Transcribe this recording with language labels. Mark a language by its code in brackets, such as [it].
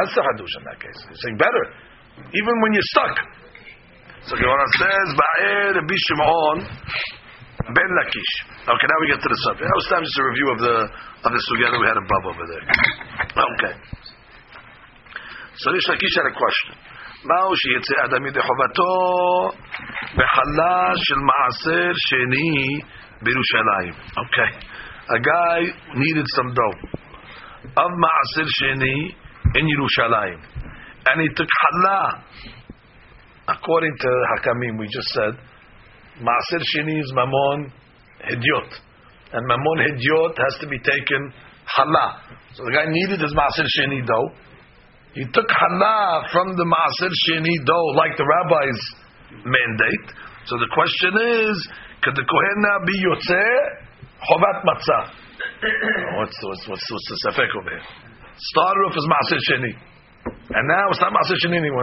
[en] That's the hadush in that case. He's saying better. Even when you're stuck. So Gemara says, Ba'er Bishimon Ben Lakish. Okay, now we get to the subject. That was time just a review of the sugya that we had above over there. Okay. So Rish Lakish had a question. [he] מהו שיצא אדם ידי חובתו בחלה של מעשר שני בירושלים. Okay. [en] A guy needed some dough of מעשר שני in ירושלים. And he took חלה. According to Hakamim, we just said, מעשר שני is ממון הדיוט. And ממון הדיוט has to be taken חלה. So the guy needed his מעשר שני dough. He took Hana from the Ma'asir Sheni dough, like the rabbi's mandate. So the question is, could the kohen now be yotze chovat matzah? what's the safek over here? Started off as maaser sheni, and now it's not maaser sheni anymore.